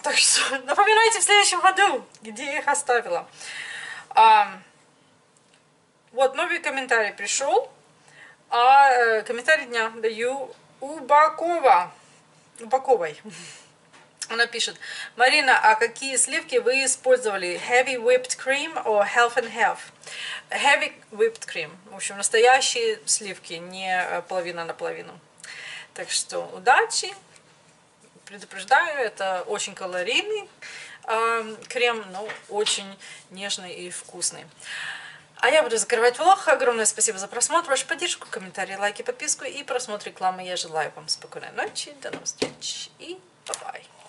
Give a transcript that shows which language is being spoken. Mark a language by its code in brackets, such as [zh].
[ru] Так что напоминайте в следующем году, где я их оставила. Вот новый комментарий пришел. А комментарий дня даю Убаковой. Она пишет: Марина, а какие сливки вы использовали? [en] Heavy whipped cream or half and half? Heavy whipped cream. [ru] В общем, настоящие сливки, не половина на половину. Так что удачи. Предупреждаю, это очень калорийный крем, но очень нежный и вкусный. А я буду закрывать влог. Огромное спасибо за просмотр, вашу поддержку, комментарии, лайки, подписку и просмотр рекламы. Я желаю вам спокойной ночи, до новых встреч и bye-bye.